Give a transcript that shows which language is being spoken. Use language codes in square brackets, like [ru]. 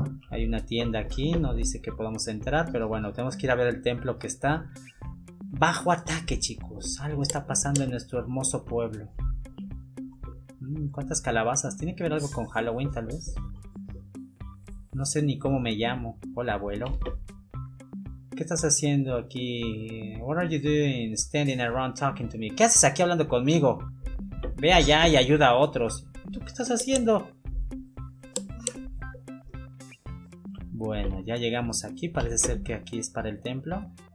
[es] Hay una tienda aquí, no dice que podamos entrar, pero bueno, tenemos que ir a ver el templo que está bajo ataque, chicos. Algo está pasando en nuestro hermoso pueblo. ¿Cuántas calabazas? Tiene que ver algo con Halloween, tal vez. No sé ni cómo me llamo. Hola, abuelo. ¿Qué estás haciendo aquí? [en] What are you doing standing around talking to me? [es] ¿Qué haces aquí hablando conmigo? Ve allá y ayuda a otros. ¿Tú qué estás haciendo? Bueno, ya llegamos aquí. Parece ser que aquí es para el templo.